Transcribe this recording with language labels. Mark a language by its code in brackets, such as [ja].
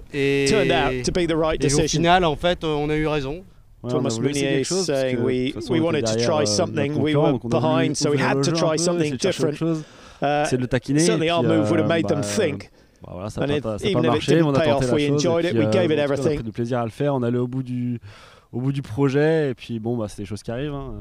[fr] Et au final, en fait, on a eu raison. [en] Thomas Meunier saying que, we wanted to try something, we were behind, so we had to try something different. Certainly our move would have made them think. And even if it didn't pay off, we enjoyed it, we gave it everything. [fr] On a pris plaisir à le faire, on allait au bout du projet, et puis bon, c'est des choses qui arrivent.